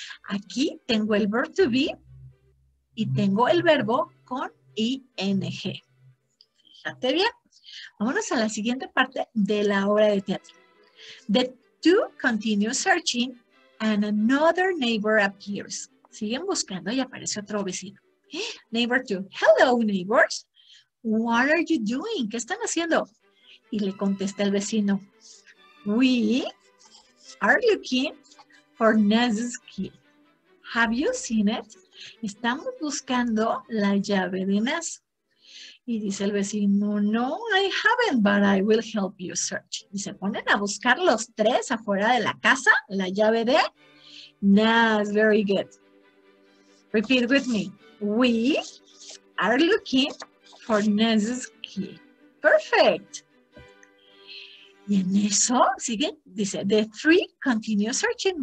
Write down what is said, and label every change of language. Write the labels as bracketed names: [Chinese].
[Spanish] Aquí tengo el [English] verb to be [Spanish] y tengo el verbo con ing. Fíjate bien. Vámonos a la siguiente parte de la obra de teatro. [English] The two continue searching and another neighbor appears. [Spanish] Siguen buscando y aparece otro vecino. [English] Neighbor two, hello neighbors, what are you doing? [Spanish] ¿Qué están haciendo? Y le contesta el vecino, [English] we are looking for Naz's key. Have you seen it? [Spanish] Estamos buscando la llave de Naz. Y dice el vecino, [English] no, I haven't, but I will help you search. [Spanish] Y se ponen a buscar los tres afuera de la casa, la llave de Naz. [English] Very good. Repeat with me. We are looking for Naz's key. Perfect. [Spanish] Y en eso, sigue, dice, [English] the three continue searching.